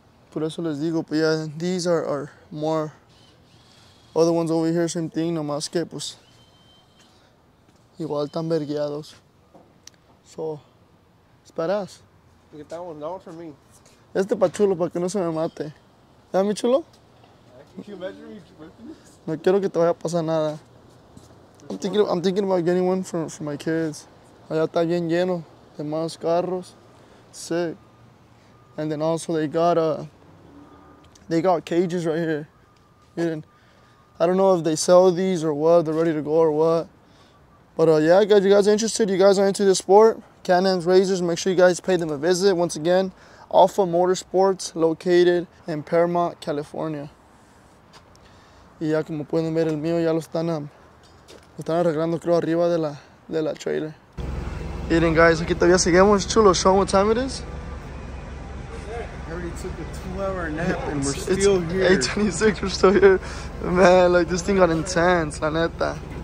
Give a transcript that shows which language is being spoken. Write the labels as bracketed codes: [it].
[es] Por eso les digo, pues ya, [en] these are more. Other ones over here, same thing, [es] nomás que pues. Igual están vergueados. [en] So, it's badass. Get that one, that one for me. [es] Este pa' chulo, pa' que no se me mate. ¿Ya, mi chulo? [en] Can you imagine me tripping? [es] No quiero que te vaya a pasar nada. [en] I'm thinking about getting one for my kids. [es] Allá está bien lleno de más carros. [en] Sick. And then also they got cages right here. Miren. I don't know if they sell these or what, they're ready to go or what. But yeah, guys, you guys are interested, you guys are into this sport, Canam's Razors, make sure you guys pay them a visit. Once again, Alpha Motorsports, located in Paramount, California. [es] Y ya como pueden ver, el mío ya lo están arreglando, creo, arriba de la trailer. Miren, guys, aquí todavía seguimos, chulo, [en] showing what time it is. We took a 2-hour nap and we're still here. 8:26, we're still here. Man, like this thing got intense, [es] la neta.